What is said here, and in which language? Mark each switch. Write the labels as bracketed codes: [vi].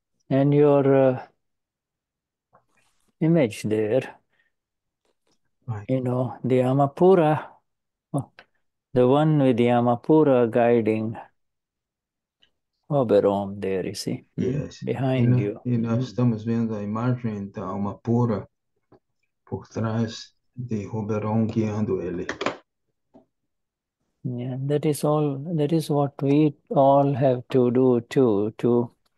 [en] And your image there, you know, the Amapura, the one with the Amapura guiding Oberon there, you see, Yes, behind you. [pt] e nós estamos vendo a imagem da alma pura por trás de Roberon guiando ele. [en] Yeah, that is all, that is what we all have to do too, to